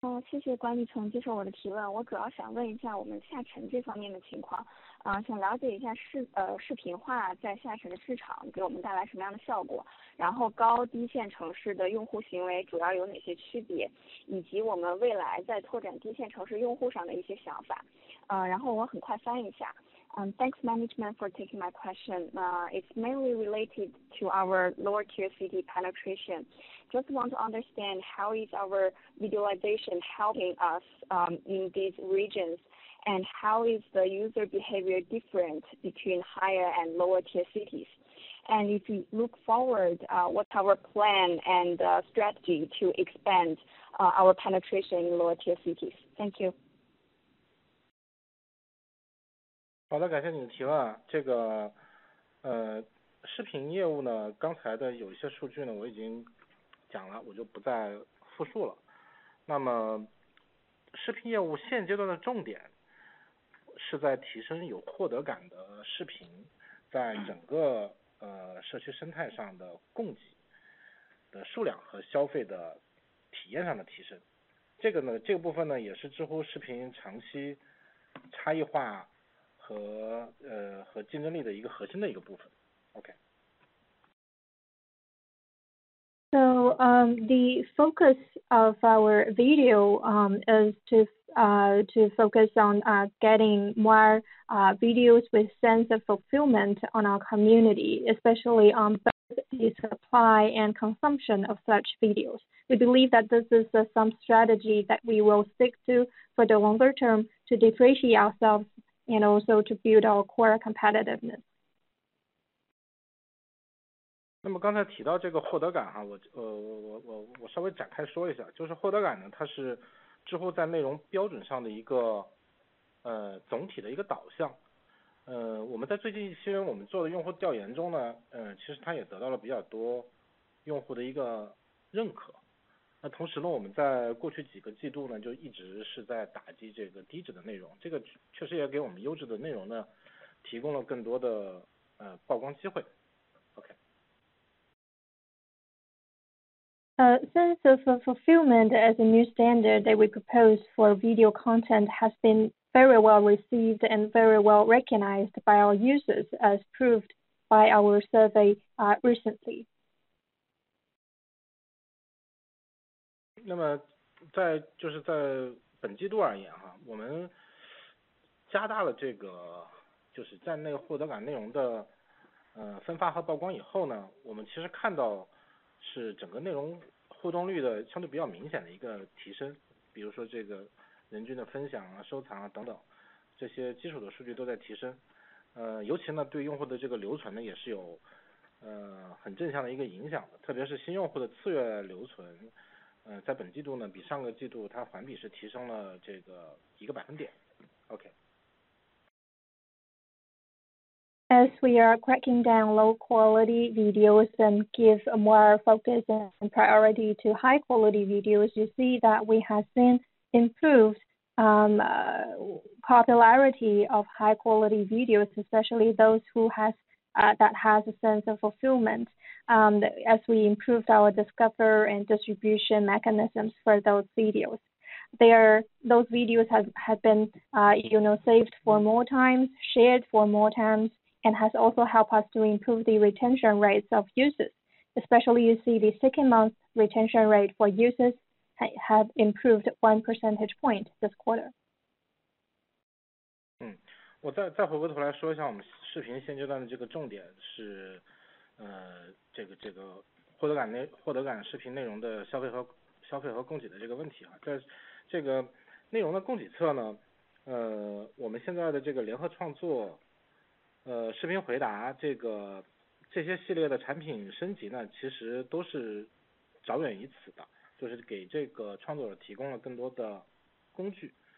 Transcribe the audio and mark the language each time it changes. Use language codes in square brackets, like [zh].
[zh] 谢谢管理层接受我的提问。我主要想问一下我们下沉这方面的情况，想了解一下视频化在下沉的市场给我们带来什么样的效果，然后高低线城市的用户行为主要有哪些区别，以及我们未来在拓展低线城市用户上的一些想法。然后我很快翻一下。 [en] Thanks management for taking my question. It's mainly related to our lower tier city penetration. Just want to understand how is our visualization helping us in these regions and how is the user behavior different between higher and lower tier cities? And if we look forward, what's our plan and strategy to expand our penetration in lower tier cities? Thank you. [zh] 好的，感谢你的提问。这个视频业务呢，刚才的有一些数据呢我已经讲了，我就不再复述了。那么视频业务现阶段的重点是在提升有获得感的视频在整个社区生态上的供给的数量和消费的体验上的提升。这个呢，这个部分呢，也是知乎视频长期差异化和竞争力的一个核心的一个部分。 OK。 [en] So, the focus of our video is to focus on getting more videos with sense of fulfillment on our community, especially on both the supply and consumption of such videos. We believe that this is some strategy that we will stick to for the longer term to differentiate ourselves and also to build our core competitiveness. [zh] 那么刚才提到这个获得感哈，我稍微展开说一下，就是获得感呢，它是知乎在内容标准上的一个总体的一个导向。我们在最近一些我们做的用户调研中呢，其实它也得到了比较多用户的一个认可。那同时呢，我们在过去几个季度呢，就一直是在打击这个低质的内容，这个确实也给我们优质的内容呢提供了更多的曝光机会。 OK。 [en] Sense of fulfillment as a new standard that we propose for video content has been very well received and very well recognized by our users as proved by our survey recently. [zh] 那么在就是在本季度而言哈，我们加大了这个就是站内获得感内容的分发和曝光以后呢，我们其实看到是整个内容互动率的相对比较明显的一个提升，比如说这个人均的分享啊、收藏啊等等，这些基础的数据都在提升，尤其呢对用户的这个留存呢也是有很正向的一个影响的，特别是新用户的次月留存，在本季度呢比上个季度它环比是提升了这个一个百分点。 OK。 [en] As we are cracking down low quality videos and give more focus and priority to high quality videos, you see that we have seen improved popularity of high quality videos, especially those who has, that has a sense of fulfillment as we improved our discover and distribution mechanisms for those videos. Those videos have been saved for more times, shared for more times,and has also helped us to improve the retention rates of users. Especially you see the second month retention rate for users have improved 1 percentage point this quarter. [zh] 我再回过头来说一下我们视频现阶段的这个重点是这个获得感视频内容的消费和供给的这个问题啊。在这个内容的供给侧呢，我们现在的这个联合创作视频回答这些系列的产品升级呢，其实都是着眼于此的，就是给这个创作者提供了更多的工具。